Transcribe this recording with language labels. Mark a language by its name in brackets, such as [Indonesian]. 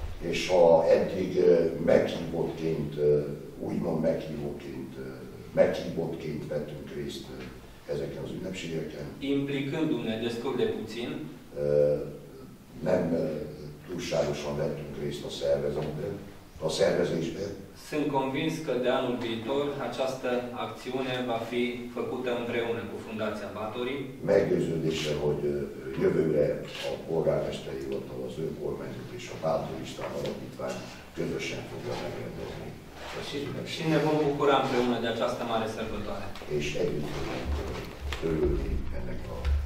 [Hungarian] és ha eddig meghívottként, úgymond meghívottként, meghívottként vettünk részt ezeken az ünnepségeken. [Romanian] Implicându-ne destul de puțin. [Hungarian] Nem túlságosan vettünk részt a szervezésben. [Romanian] Sunt convins că de anul viitor această acțiune va fi făcută împreună cu Fundația Baturi. [Hungarian] Meggyőződésem, hogy jövőre a polgármesteri hivatal, az ő kormányzat és a Baturi István alapítvány közösen fogja megrendezni. [Romanian] Și ne vom bucura împreună de această mare sărbătoare. [Hungarian] És együtt fogunk örülni ennek a